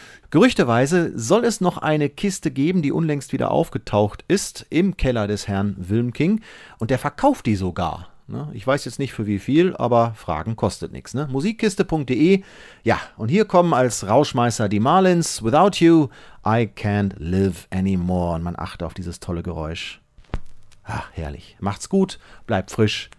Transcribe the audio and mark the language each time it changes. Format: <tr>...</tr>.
<de>Gerüchteweise soll es noch eine Kiste geben, die unlängst wieder aufgetaucht ist im Keller des Herrn Wilmking. Und der verkauft die sogar. Ich weiß jetzt nicht für wie viel, aber Fragen kostet nichts. Ne? Musikkiste.de. Ja, und hier kommen als Rauschmeißer die Marlins.</de> <en>Without you, I can't live anymore.</en> <de>Und man achte auf dieses tolle Geräusch. Ach, herrlich. Macht's gut, bleibt frisch.</de>